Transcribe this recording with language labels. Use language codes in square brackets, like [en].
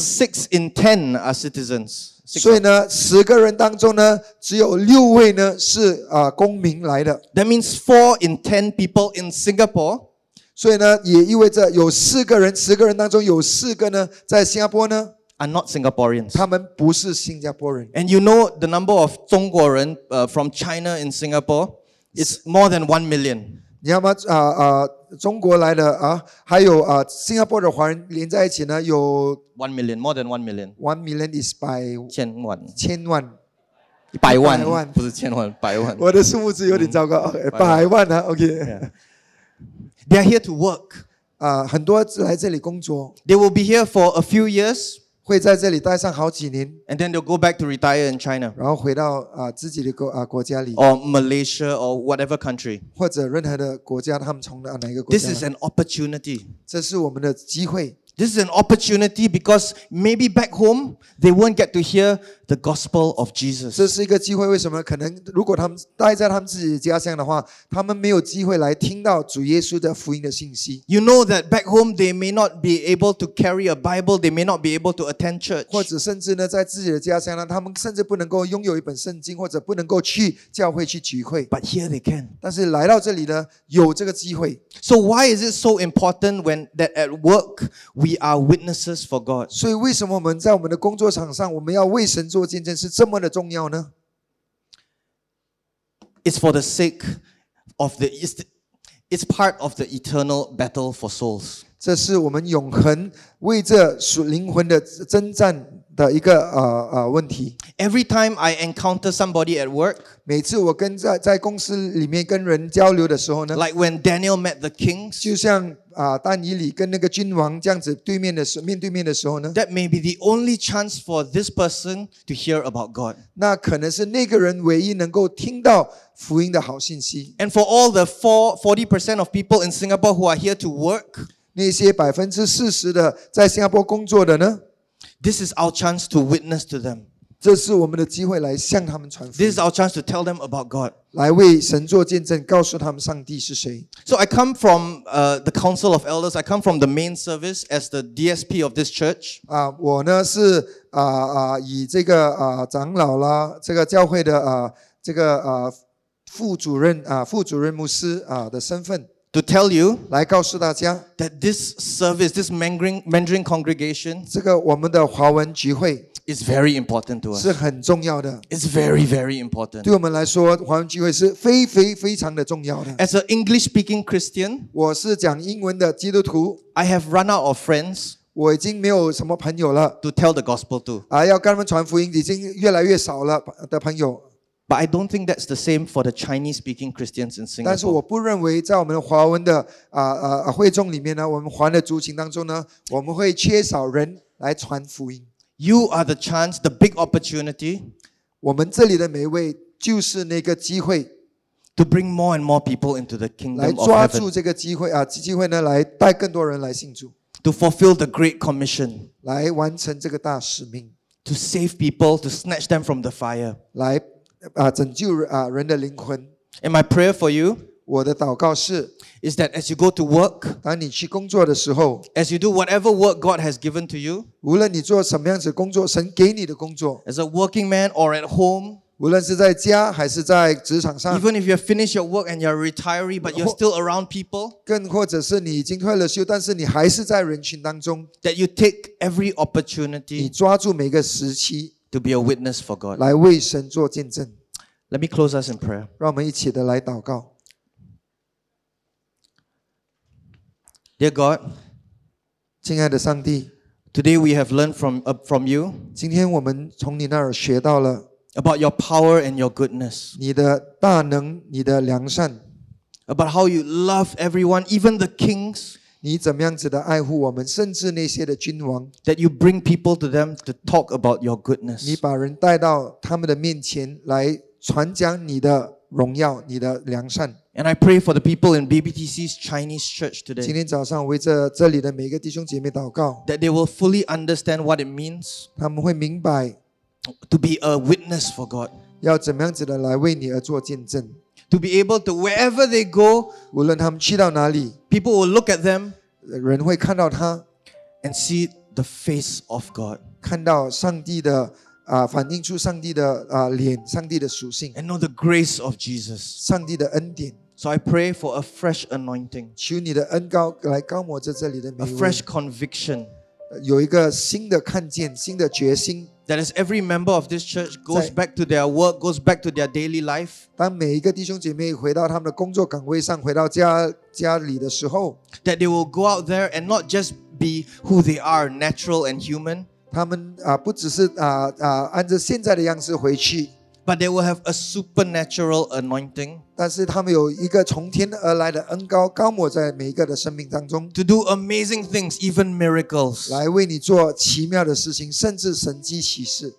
[en] ，6 in 10 are citizens. [zh] 所以呢，十个人当中呢，只有六位呢是公民来的。 [en] That means 4 in 10 people in Singapore. [zh] 所以呢，也意味着有四个人，十个人当中有四个呢在新加坡呢。 [en] Are not Singaporeans. [zh] 他们不是新加坡人。 [en] And you know the number of [zh] 中国人 [en] from China in Singapore is more than 1 million. [zh] 你要吗？中国来的还有新加坡的华人连在一起呢，有 [en] 1 million, more than 1 million. 1 million is [zh] 千万，百万，不是千万，百万。我的数目字有点糟糕，百万啊 ，OK.、 [en] Yeah. They are here to work. [zh] 很多来这里工作。 [en] They will be here for a few years. [zh] 会在这里待上好几年 [en] ，and then they'll go back to retire in China. [zh] 然后回到自己的国家里 [en] ，or Malaysia or whatever country. [zh] 或者任何的国家，他们从哪一个国家 [en] ？This is an opportunity. [zh] 这是我们的机会。 [en] This is an opportunity because maybe back home they won't get to hear the gospel of Jesus. [zh] 这是一个机会，为什么？可能如果他们待在他们自己的家乡的话，他们没有机会来听到主耶稣的福音的信息。 [en] You know that back home they may not be able to carry a Bible, they may not be able to attend church. [zh] 或者甚至呢，在自己的家乡呢，他们甚至不能够拥有一本圣经，或者不能够去教会去聚会。 [en] But here they can. [zh] 但是来到这里呢，有这个机会。 [en] So why is it so important when that at work we are witnesses for God? [zh] 所以为什么我们在我们的工作场上，我们要为神做见证是这么的重要呢 [en] ？It's for the sake of the it's part of the eternal battle for souls. [zh] 这是我们永恒为这属灵魂的征战的一个问题。 [en] Every time I encounter somebody at work， [zh] 每次我跟在公司里面跟人交流的时候呢 [en] ，Like when Daniel met the kings， [zh] 就像但以理跟那个君王这样子对面的时面对面的时候呢 [en] ，That may be the only chance for this person to hear about God。 [zh] 那可能是那个人唯一能够听到福音的好信息。 [en] And for all the 40% of people in Singapore who are here to work， [zh] 那些40%的在新加坡工作的呢？ [en] This is our chance to witness to them. [zh] 这是我们的机会来向他们传福音。 [en] This is our chance to tell them about God. [zh] 来为神做见证，告诉他们上帝是谁。 [en] So I come from the Council of Elders. I come from the main service as the DSP of this church. [zh] 我呢是以这个长老啦，这个教会的这个副主任副主任牧师的身份。 [en] To tell you, [zh] 来告诉大家 [en] that this service, this Mandarin congregation, [zh] 这个我们的华文集会 [en] is very important to us. [zh] 是很重要的 [en] It's very, very important. [zh] 对我们来说，华文集会是非非非常的重要的 [en] As an English-speaking Christian, [zh] 我是讲英文的基督徒 [en] I have run out of friends. [zh] 我已经没有什么朋友了 [en] to tell the gospel to. [zh] 要跟他们传福音，已经越来越少了的朋友。 [en] But I don't think that's the same for the Chinese-speaking Christians in Singapore. [zh] 但是我不认为在我们华文的会众里面呢，我们华的族群当中呢，我们会缺少人来传福音。 [en] You are the chance, the big opportunity. [zh] 我们这里的每一位就是那个机会 [en] to bring more and more people into the kingdom of heaven. [zh] 来抓住这个机会机会呢，来带更多人来信主 [en] to fulfill the great commission. [zh] 来完成这个大使命 [en] to save people, to snatch them from the fire. [zh] 来拯救人的灵魂。 [en] And my prayer for you, [zh] 我的祷告是 [en] is that as you go to work, [zh] 当你去工作的时候 [en] as you do whatever work God has given to you, [zh] 无论你做什么样子工作，神给你的工作 [en] as a working man or at home, [zh] 无论是在家还是在职场上 [en] even if you have finished your work and you're retiree, but you're still around people, [zh] 更或者是你已经退了休，但是你还是在人群当中 [en] that you take every opportunity, [zh] 你抓住每个时期。 [en] To be a witness for God. [zh] 来为神做见证。 [en] Let me close us in prayer. [zh] 让我们一起的来祷告。 [en] Dear God, [zh] 亲爱的上帝 [en] ，Today we have learned from you. [zh] 今天我们从你那儿学到了 [en] about your power and your goodness. [zh] 你的大能，你的良善 [en] about how you love everyone, even the kings. [zh] 你怎么样子的爱护我们，甚至那些的君王 [en] ？That you bring people to them to talk about your goodness. [zh] 你把人带到他们的面前来传讲你的荣耀，你的良善。 [en] And I pray for the people in BBTC's Chinese church today. [zh] 今天早上为这里的每个弟兄姐妹祷告 [en] ，That they will fully understand what it means. [zh] 他们会明白 [en] ，To be a witness for God. [zh] 要怎么样子的来为你而做见证。 [en] To be able to wherever they go, [zh] 无论他们去到哪里 [en] people will look at them, [zh] 人会看到他 [en] and see the face of God, [zh] 看到上帝的反映出上帝的脸，上帝的属性 [en] and know the grace of Jesus, [zh] 上帝的恩典 [en] So I pray for a fresh anointing, [zh] 求你的恩膏来膏抹在这里的每一位 [en] a fresh conviction, [zh] 有一个新的看见，新的决心。 [en] That as every member of this church goes back to their work, goes back to their daily life. [zh] 当每一个弟兄姐妹回到他们的工作岗位上，回到家里的时候 [en] ，That they will go out there and not just be who they are, natural and human. [zh] 他们不只是按照现在的样子回去 [en] ，But they will have a supernatural anointing. [zh] 但是他们有一个从天而来的恩膏膏抹在每一个的生命当中 [en] ，To do amazing things, even miracles, [zh] 来为你做奇妙的事情，甚至神迹奇事